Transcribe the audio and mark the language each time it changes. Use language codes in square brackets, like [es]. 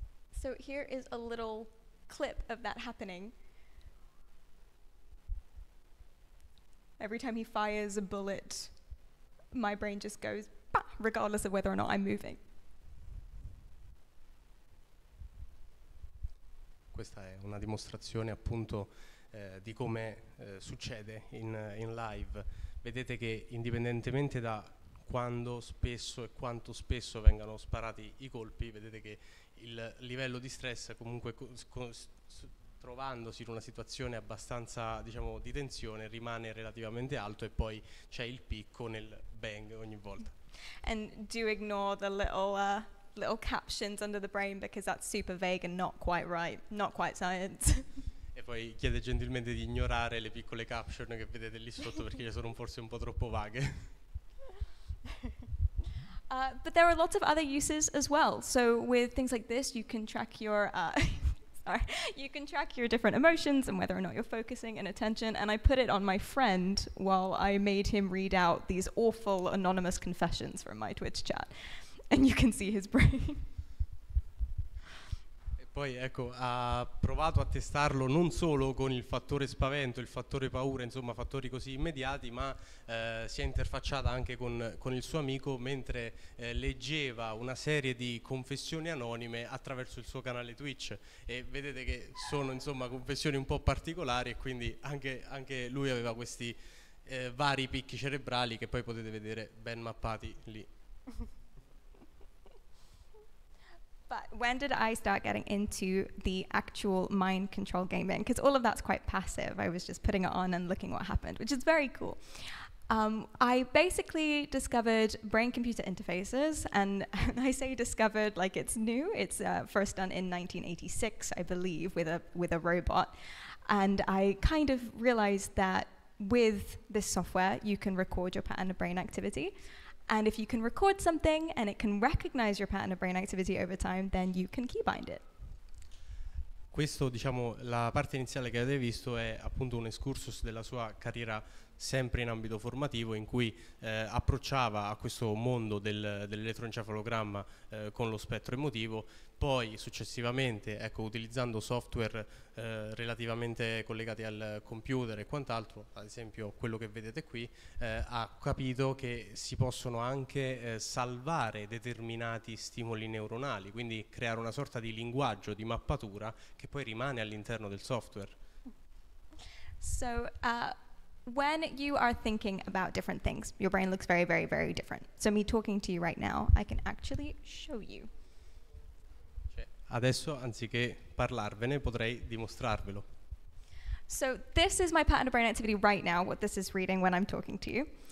[en] So here is a little clip of that happening. Every time he fires a bullet, my brain just goes, bah, regardless of whether or not I'm moving. [it] Questa è una dimostrazione appunto di come succede in live. Vedete che indipendentemente da quando spesso e quanto spesso vengano sparati i colpi, vedete che il livello di stress, comunque trovandosi in una situazione abbastanza, diciamo, di tensione, rimane relativamente alto, e poi c'è il picco nel bang ogni volta. [en] And do ignore the little captions under the brain, because that's super vague and not quite right, not quite science. [it] E poi chiede gentilmente di ignorare le piccole caption che vedete lì sotto, perché sono forse un po' troppo vaghe. [en] But there are lots of other uses as well. So with things like this, you can track your you can track your different emotions and whether or not you're focusing and attention. And I put it on my friend while I made him read out these awful anonymous confessions from my Twitch chat, and you can see his brain. [it] Poi ecco, ha provato a testarlo non solo con il fattore spavento, il fattore paura, insomma fattori così immediati, ma si è interfacciata anche con il suo amico mentre leggeva una serie di confessioni anonime attraverso il suo canale Twitch, e vedete che sono insomma confessioni un po' particolari, e quindi anche lui aveva questi vari picchi cerebrali che poi potete vedere ben mappati lì. [en] But when did I start getting into the actual mind control gaming? Because all of that's quite passive. I was just putting it on and looking what happened, which is very cool. I basically discovered brain-computer interfaces, and I say discovered like it's new. It's first done in 1986, I believe, with a robot. And I kind of realized that with this software, you can record your pattern of brain activity. And if you can record something and it can recognize your pattern of brain activity over time, then you can keybind it. [it] Questo, diciamo, la parte iniziale che avete visto è appunto un excursus della sua carriera sempre in ambito formativo, in cui approcciava a questo mondo dell'elettroencefalogramma con lo spettro emotivo, poi successivamente, ecco, utilizzando software relativamente collegati al computer e quant'altro, ad esempio quello che vedete qui, ha capito che si possono anche salvare determinati stimoli neuronali, quindi creare una sorta di linguaggio, di mappatura, che poi rimane all'interno del software. [en] So, when you are thinking about different things, your brain looks very, very, very different. So me talking to you right now, I can actually show you. [it] Cioè, adesso, anziché parlarvene, potrei dimostrarvelo. [en] So this is my pattern of brain activity right now, what this is reading when I'm talking to you.